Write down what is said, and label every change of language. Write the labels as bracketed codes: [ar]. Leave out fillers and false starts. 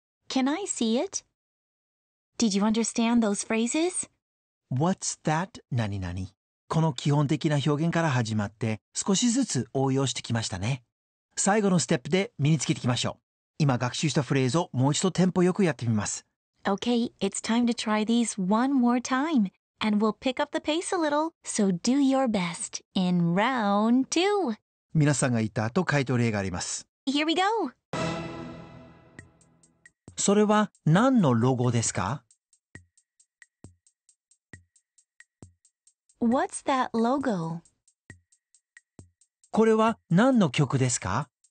[en] Can I see it? Did you understand those phrases? What's that 何々? [ja] この基本的な表現から始まって少しずつ応用してきましたね。最後のステップで身につけていきましょう。今学習したフレーズをもう一度テンポよくやってみます。 [en] Okay, it's time to try these one more time. And we'll pick up the pace a little, so do your best in round two. [ja] 皆さんが言った後、回答例があります。 [en] Here we go. [ja] それは何のロゴですか? [en] What's that logo? [ja] これは何の曲ですか?